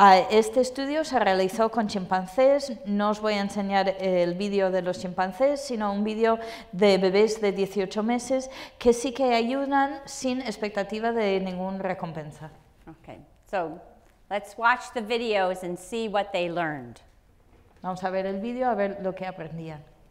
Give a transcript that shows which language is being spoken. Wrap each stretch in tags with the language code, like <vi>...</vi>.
<es>Este estudio se realizó con chimpancés. No os voy a enseñar el vídeo de los chimpancés, sino un vídeo de bebés de 18 meses que sí que ayudan sin expectativa de ninguna recompensa.</es> <en>Okay. So, let's watch the videos and see what they learned.</en> <es>Vamos a ver el video a ver lo que aprendían.</es>